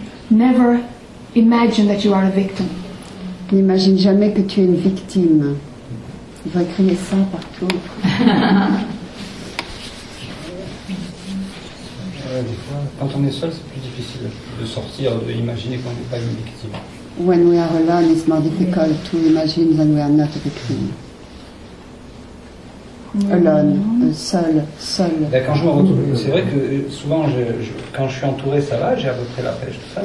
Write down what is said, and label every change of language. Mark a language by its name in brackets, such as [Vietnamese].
[English] Never imagine that you are a victim. [French] N'imagine jamais que tu es une victime. Il va crier ça partout. Des fois, quand on est seul, c'est plus difficile de sortir, d'imaginer qu'on n'est pas une victime. [English] When we are alone, it's more difficult to imagine that we are not a victim. Alone, [French] seul. Ben quand je me retrouve, c'est vrai que souvent, quand je suis entouré, ça va, j'ai à peu près la pêche, tout ça.